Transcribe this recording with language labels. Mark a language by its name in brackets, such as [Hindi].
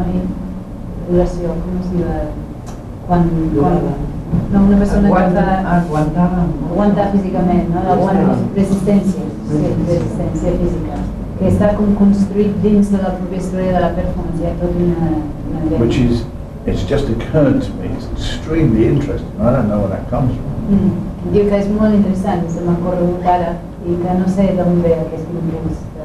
[Catalan] I duració, com es diu, no, una persona aguantar físicament, no? Resistència física, que està com construït dins de la pròpia història de la performance, hi ha tot una idea. [English] Which is, it's just occurred to me, it's extremely interesting, I don't know where that comes from. [Catalan] Diu que és molt interessant, se m'ha corregut ara, i que no sé d'on ve aquest impuls.